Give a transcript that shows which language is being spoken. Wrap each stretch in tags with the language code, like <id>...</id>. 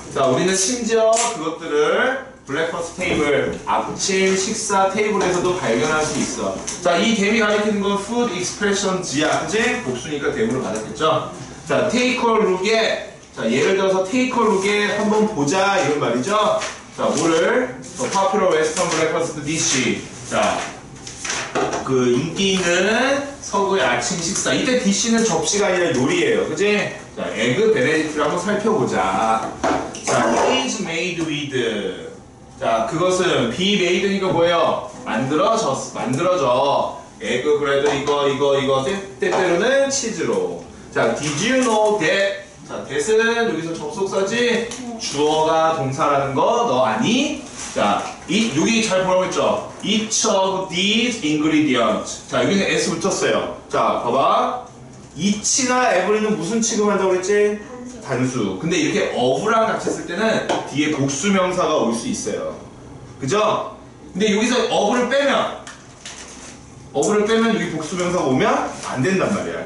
<ko>자, 우리는 심지어 그것들을</ko> <en>브렉퍼스 테이블,</en> <ko>아침 식사 테이블에서도 발견할 수 있어. 자, 이 데미 가리키는 건</ko> <en>food expressions</en> <ko>야, 그지? 복수니까 데미로 받았겠죠? 자,</ko> <en>take a look</en> <ko>에, 자, 예를 들어서 take a look에 한번 보자, 이런 말이죠? 자, 뭐를?</ko> <en>The popular western breakfast dish.</en> <ko>자, 그 인기 있는 서구의 아침 식사. 이때 dish는 접시가 아니라 요리예요, 그지? 자, egg benedict를 한번 살펴보자.</ko> <en>자, is made with.</en> <ko>자, 그것은</ko> <en>be made</en> <ko>니까 뭐예요? 만들어져. egg bread 이거 때때로는 치즈로.</ko> <en>자, did you know that?</en> <ko>자, that은 여기서 접속사지? 주어가 동사라는 거 너 아니? 자, 이 여기 잘 보라고 했죠?</ko> <en>each of these ingredients.</en> <ko>자, 여기는 s 붙였어요. 자, 봐봐. each나 every는 무슨 취급한다고 그랬지? 단수. 근데 이렇게 of랑 같이 했을 때는 뒤에 복수명사가 올 수 있어요. 그죠? 근데 여기서 of를 빼면 여기 복수명사가 오면 안 된단 말이야.</ko>